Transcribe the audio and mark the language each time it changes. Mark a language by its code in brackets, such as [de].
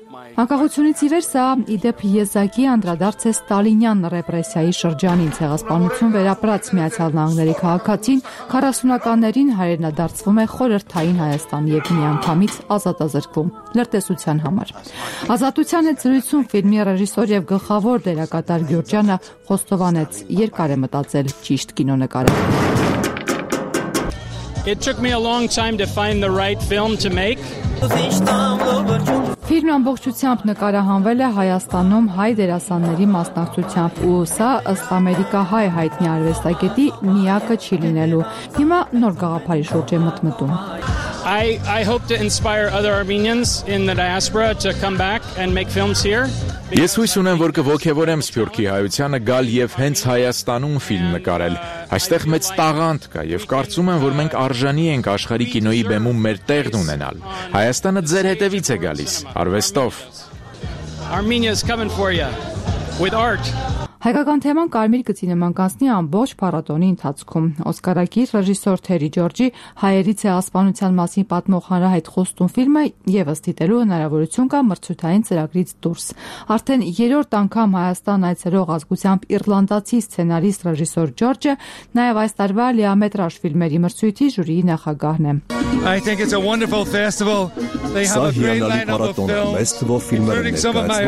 [hy] Հանկախությունից ի վեր սա իդեպ եզակի անդրադարձ է Ստալինյան ռեպրեսիայի շրջանին։ Ցեղասպանություն վերապրած Միացյալ Նահանգների քաղաքացին 40-ականներին հայրենադարձվում է խորհրդային Հայաստան եւ միանգամից ազատազրկվում լրտեսության համար։ Ազատության հետ զրույցում ֆիլմի ռեժիսոր եւ գլխավոր դերակատար Գյուրջյանը խոստովանեց՝ երկար է մտածել ճիշտ կինոնկարը։ [en] It took me a long time to find the right film to make. [hy] Ֆիլմը ամբողջությամբ նկարահանվել է Հայաստանում հայ դերասանների մասնակցությամբ, ու սա ըստ ամերիկահայ հայտնի արվեստագետի միակը չի լինելու։ Հիմա նոր գաղափարի շուրջ է մտմտում։ [en] I hope to inspire other Armenians in the diaspora to come back and make films here. [hy] Ես հույս ունեմ, որ կոգևորեմ Սփյուռքի հայությանը գալ եւ հենց Հայաստանում ֆիլմ նկարել։ Այստեղ մեծ տաղանդ կա եւ կարծում եմ, որ մենք արժանի ենք աշխարհի կինոյի բեմում մեր տեղն ունենալ։ Հայաստանը ձեր հետևից է գալիս արվեստով։ [en] Armenia is coming for you with art. [hy] Հայկական թեման կարմիր գծի նման կանցնի ամբողջ փառատոնի ընթացքում։ Օսկարակիր ռեժիսոր Թերի Ջորջի հայերից է ասպանության մասին պատմող հանրահայտ խոստում ֆիլմը եւս դիտելու հնարավորություն կա մրցութային ծրագրից դուրս։ Արդեն 3-րդ անգամ Հայաստան այցելող ազգությամբ իռլանդացի սցենարիստ ռեժիսոր Ջորջը նաեւ այս տարվա լիամետրաժ ֆիլմերի մրցույթի ժյուրիի նախագահն է։ [en] I think it's a wonderful festival. They have a great lineup of films.